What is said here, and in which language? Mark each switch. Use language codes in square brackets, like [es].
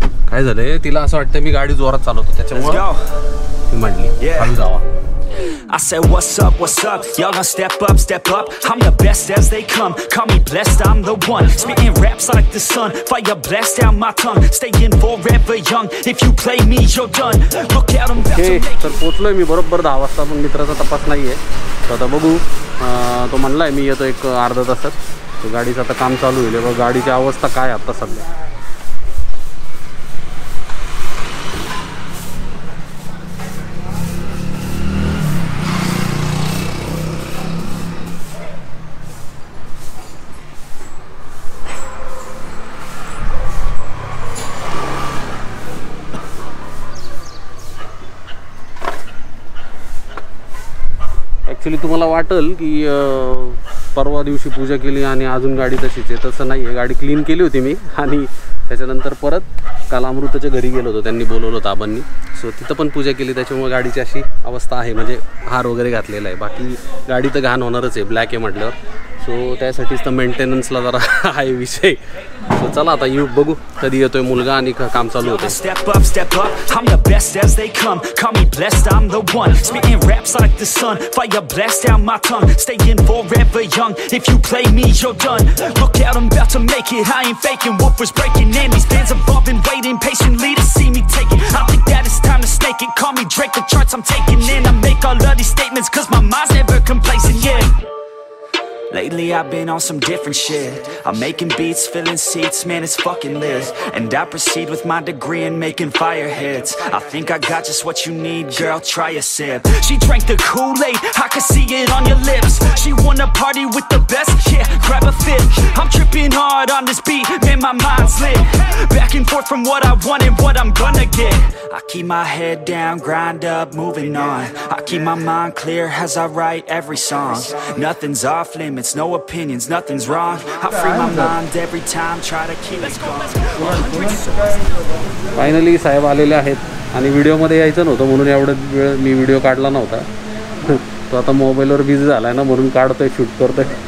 [mr] काय झालंय तिला असं वाटतं मी गाडी जोरात चालवतो त्याच्यामुळे म्हणली जावा. [en] I said, what's up, what's up? Y'all gonna step up, step up. I'm the best as they come. Call me blessed, I'm the one. Spitting raps like the sun. Fire blast down my tongue. Staying forever young. If you play me, you're done. Look out, I'm about to make. [mr] पोहोचलोय मी बरोबर 10:00, पण मित्राचा तपास नाहीये. तर आता बघू, तो म्हणलाय मी येतो एक अर्धा तासात. तो गाडीचं आता काम चालू होईल. बघ गाडीची अवस्था काय आता सध्या. तुम्हाला वाटल की परवा दिवशी पूजा केली आणि अजून गाडी तशीच आहे, तसं नाही आहे. गाडी क्लीन केली होती मी आणि त्याच्यानंतर परत काल अमृताच्या घरी गेलो होतो, त्यांनी बोलवलं होतं आबांनी. सो तिथं पण पूजा केली, त्याच्यामुळे गाडीची अशी अवस्था आहे. म्हणजे हार वगैरे घातलेला आहे, बाकी गाडी तर घाण होणारच आहे, ब्लॅक आहे म्हटलं. सो त्यासाठीच तर मेंटेनन्सला जरा आहे विषय. सो चला आता येऊ, बघू कधी येतोय मुलगा आणि काम चालू होतं. [en] Step up step up. I am the best as they come. Call me blessed, I am the one. Spitting raps like the sun. Fire blast down my tongue. Staying forever young. If you play me you are done. Look out, I am about to make it. I am faking. Woofers breaking in. He stands about and waiting patiently to see me take it. I think that it's time to stake it. Call me Drake the charts. I am taking in. I make all of the statements cuz my mind's never complacent. Yet Lately I've been on some different shit. I'm making beats, filling seats, man it's fucking lit. And I proceed with my degree in making fire hits. I think I got just what you need, girl, try a sip. She drank the Kool-Aid, I can see it on your lips. She wanna party with the best, yeah, grab a fifth. I'm tripping hard on this beat, man my mind's lit. Back and forth from what I want and what I'm gonna get. I keep my head down, grind up, moving on. I keep my mind clear as I write every song. Nothing's off limits, no opinions, nothing's wrong. I free my mind every time, try to keep it gone. [mr] Finally, साहेब आलेले आहेत आणि व्हिडिओमध्ये यायचं नव्हतं म्हणून एवढं वेळ मी video काढला नव्हता. तो आता मोबाईलवर बिझी झालाय ना म्हणून काढतोय, शूट करतोय.